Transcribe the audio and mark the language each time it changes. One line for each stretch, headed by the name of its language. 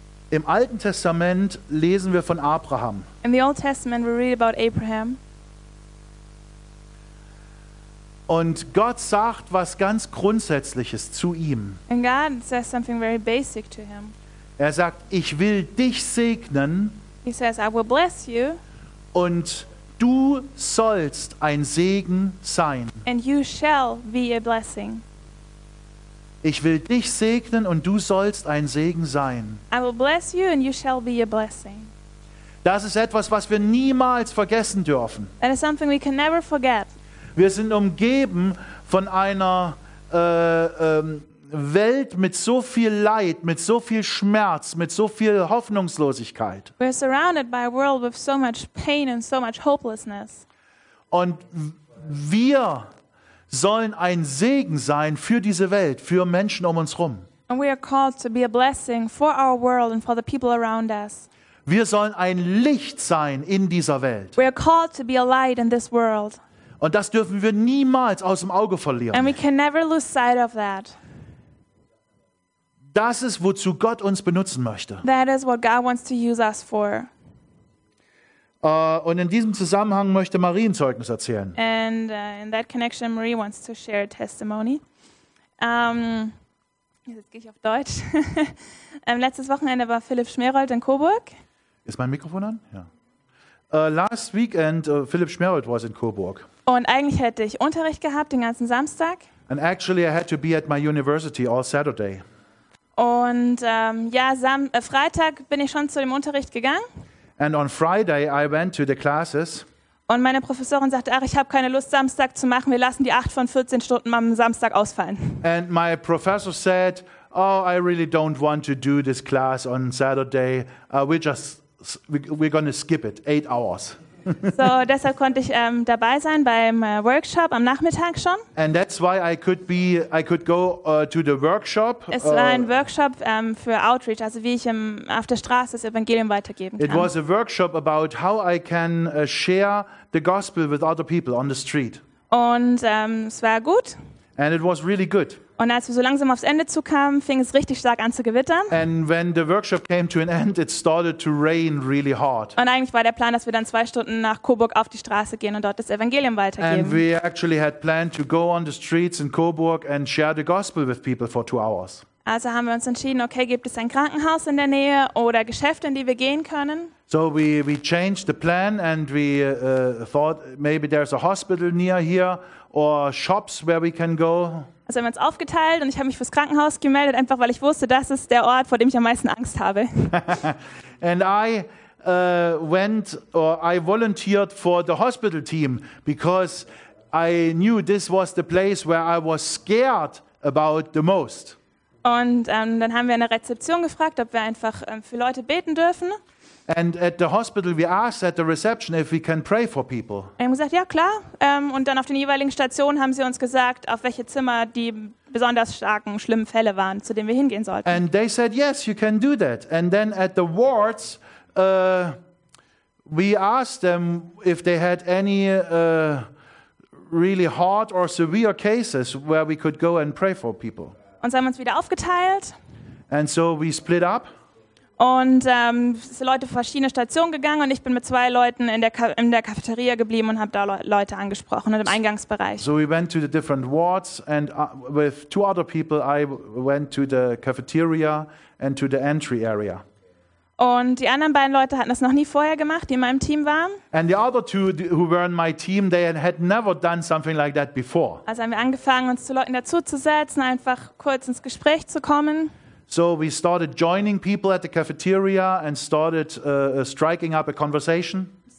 German: Im Alten Testament lesen wir von Abraham.
English: In the Old Testament we read about Abraham.
German: Und Gott sagt was ganz Grundsätzliches zu ihm.
English: And God says something very basic to him.
German: Er sagt, ich will dich segnen.
English: He says, I will bless you.
German: Und du sollst ein Segen sein.
English: And you shall be a blessing.
German: Ich will dich segnen und du sollst ein Segen sein.
English: I will bless you and you shall be a blessing.
German: Das ist etwas, was wir niemals vergessen dürfen.
English: That is something we can never forget.
German: Wir sind umgeben von einer Welt mit so viel Leid, mit so viel Schmerz, mit so viel Hoffnungslosigkeit.
English: We are surrounded by a world with so much pain and so much hopelessness.
German: Und wir sollen ein Segen sein für diese Welt, für Menschen um uns rum.
English: And we are called to be a blessing for our world and for the people around us.
German: Wir sollen ein Licht sein in dieser Welt.
English: We are called to be a light in this world.
German: Und das dürfen wir niemals aus dem Auge verlieren.
English: And we can never lose sight of that.
German: Das ist, wozu Gott uns benutzen möchte.
English: That is what God wants to use us for.
German: Und in diesem Zusammenhang möchte Marie ein Zeugnis erzählen.
English: And in that connection, Marie wants to share a testimony.
German: Jetzt gehe ich auf Deutsch. Letztes Wochenende war Philipp Schmerold in Coburg. Ist mein Mikrofon an? Ja.
English: Last weekend, Philipp Schmerold was in Coburg.
German: Und eigentlich hätte ich Unterricht gehabt den ganzen Samstag.
English: And actually, I had to be at my university all Saturday.
German: Und Freitag bin ich schon zu dem Unterricht gegangen.
English: And on Friday I went to the classes.
German: Und meine Professorin sagte, ach, ich habe keine Lust, Samstag zu machen. Wir lassen die 8 von 14 Stunden am Samstag ausfallen.
English: And my professor said, oh, I really don't want to do this class on Saturday. We're gonna skip it. 8 hours.
German: So, deshalb konnte ich dabei sein beim Workshop am Nachmittag schon.
English: And that's why I could go to the workshop.
German: Es war ein Workshop für Outreach, also wie ich auf der Straße das Evangelium weitergeben kann.
English: It was a workshop about how I can share the gospel with other people on the street.
German: Und es war gut.
English: And it was really good.
German: Und als wir so langsam aufs Ende zukamen, fing es richtig stark an zu gewittern.
English: And when the workshop came to an end, it started to rain really hard.
German: Und eigentlich war der Plan, dass wir dann 2 Stunden nach Coburg auf die Straße gehen und dort das Evangelium weitergeben.
English: And we actually had planned to go on the streets in Coburg and share the gospel with people for 2 hours.
German: Also haben wir uns entschieden, okay, gibt es ein Krankenhaus in der Nähe oder Geschäfte, in die wir gehen können?
English: So we changed the plan and we thought maybe there's a hospital near here or shops where we can go.
German: Also haben wir uns aufgeteilt und ich habe mich fürs Krankenhaus gemeldet, einfach weil ich wusste, das ist der Ort, vor dem ich am meisten Angst habe.
English: And I volunteered for the hospital team because I knew this was the place where I was scared about the most.
German: Und dann haben wir in der Rezeption gefragt, ob wir einfach für Leute beten dürfen.
English: And at the hospital we asked at the reception if we can pray for people.
German: Und haben gesagt, ja klar. Und dann auf den jeweiligen Stationen haben sie uns gesagt, auf welche Zimmer die besonders starken, schlimmen Fälle waren, zu denen wir hingehen sollten.
English: And they said, yes, you can do that. And then at the wards, we asked them if they had any really hard or severe cases where we could go and pray for people.
German: Und haben uns wieder aufgeteilt.
English: And so we split up.
German: Und sind Leute auf verschiedene Stationen gegangen und ich bin mit 2 Leuten in der Cafeteria geblieben und habe da Leute angesprochen und im Eingangsbereich.
English: So we went to the different wards and with 2 other people I went to the cafeteria and to the entry area.
German: Und die anderen beiden Leute hatten das noch nie vorher gemacht, die in meinem Team waren.
English: And the other two who were in my team, they had never done something like that before.
German: Also haben wir angefangen, uns zu Leuten dazuzusetzen, einfach kurz ins Gespräch zu kommen.
English: So we started joining people at the cafeteria and started striking up a conversation.